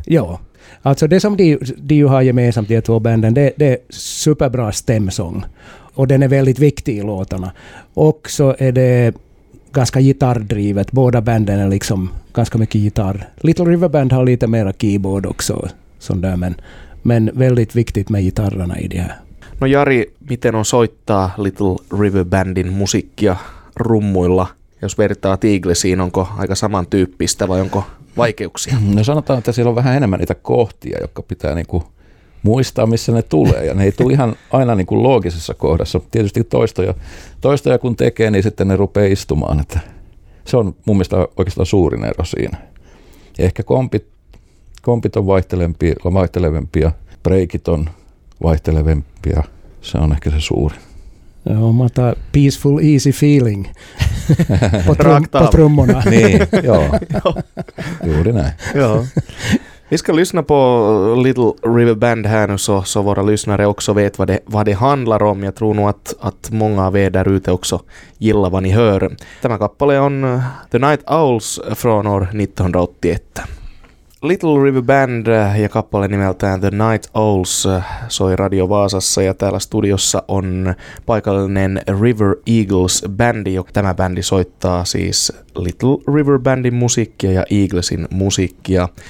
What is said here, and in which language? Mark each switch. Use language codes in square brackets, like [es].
[sv] Ja, alltså det som de har gemensamt, de två banden, det är superbra stämsång. Och den är väldigt viktig i låtarna. Och så är det ganska gitarrdrivet. Båda banden är liksom ganska mycket gitarr. Little River Band har lite mera keyboard också. Sånt där, men väldigt viktigt med gitarrarna i det här. [fi] No Jari, miten on soittaa Little River Bandin musiikkia rummuilla? Jos vertaa Eaglesiin, onko aika samantyyppistä vai onko vaikeuksia? No sanotaan, että siellä on vähän enemmän niitä kohtia, jotka pitää niinku muistaa, missä ne tulee. Ja ne ei tule ihan aina niinku loogisessa kohdassa. Tietysti toistoja kun tekee, niin sitten ne rupeaa istumaan. Että se on mun mielestä oikeastaan suurin ero siinä. Ehkä kompit on vaihtelevempia, breikit on vaihtelevempia, se on ehkä se suurin. Joo, mä otan peaceful, easy feeling. Patrummona. Niin, joo. Juuri näin. Joo. [sv] Vi ska lyssna på Little River Band här nu, så våra lyssnare också vet vad det handlar om. Jag tror nog att många av er där ute också gillar vad ni hör. [fi] Tämä kappale on The Night Owls från år 1981. Little River Band ja kappale nimeltään The Night Owls soi Radio Vaasassa, ja täällä studiossa on paikallinen River Eagles bändi. Tämä bändi soittaa siis Little River Bandin musiikkia ja Eaglesin musiikkia.